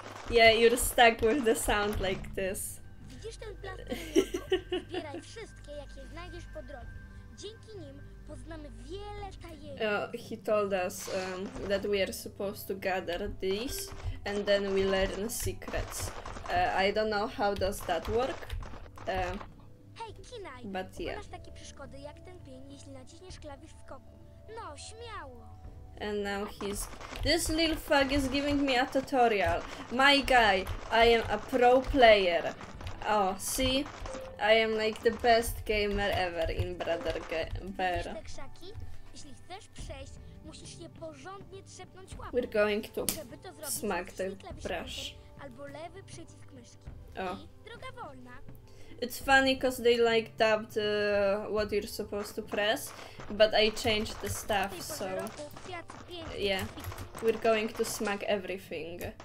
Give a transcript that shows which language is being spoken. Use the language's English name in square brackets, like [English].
[English] Yeah, you're stuck with the sound like this. [Polish] Widzisz ten plastik? Zbieraj wszystkie, jakie znajdziesz po drodze. Dzięki nim poznamy wiele tajemnic. [English] He told us that we are supposed to gather these and then we learn secrets. I don't know how does that work. Hey, Kinaj, but yeah. [Polish] Masz takie przeszkody jak ten pień, jeśli naciśniesz klawisz skoku. No, śmiało. [English] And now he's... This little fuck is giving me a tutorial. My guy, I am a pro player. Oh, see? I am like the best gamer ever in Brother Bear. [Polish] Widzisz te krzaki? Jeśli chcesz przejść, musisz je porządnie trzepnąć łapą. [English] We're going to smack the brush. [Polish] Albo lewy przycisk myszki. Oh. I droga wolna. [English] It's funny because they like dubbed what you're supposed to press, but I changed the stuff, so yeah, we're going to smack everything.